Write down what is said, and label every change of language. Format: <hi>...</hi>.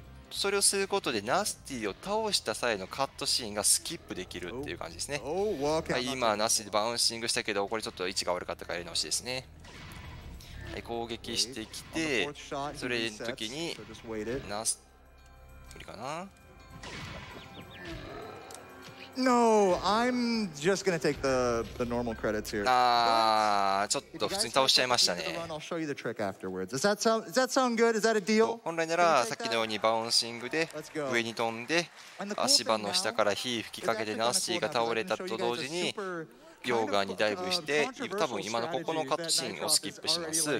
<ja>それをすることでナスティを倒した際のカットシーンがスキップできるっていう感じですね。今ナスティバウンシングしたけど、これちょっと位置が悪かったからやり直しですね。はい、攻撃してきて、それの時にナス無理かな。</ja> <en>No, I'm just gonna take the normal credits here.</en> <ja>ちょっと普通に倒しちゃいましたね。本来ならさっきのようにバウンシングで上に飛んで、足場の下から火吹きかけてナスティが倒れたと同時に、溶岩にダイブして、多分今のここのカットシーンをスキップします。</ja>